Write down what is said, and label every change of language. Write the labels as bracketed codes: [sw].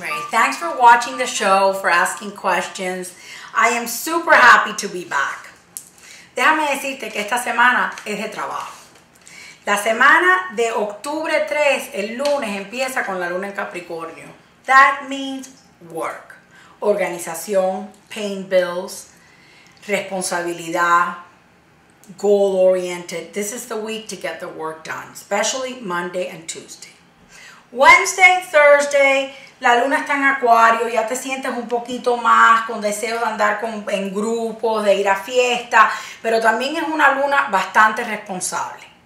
[en] Thanks for watching the show, for asking questions. I am super happy to be back. [es] Déjame decirte que esta semana es de trabajo. La semana de octubre 3, el lunes, empieza con la luna en Capricornio. [en] That means work. Organización, paying bills, responsabilidad, goal-oriented. This is the week to get the work done, especially Monday and Tuesday. Wednesday, Thursday, [es] la luna está en Acuario, ya te sientes un poquito más con deseo de andar en grupos, de ir a fiesta, pero también es una luna bastante responsable.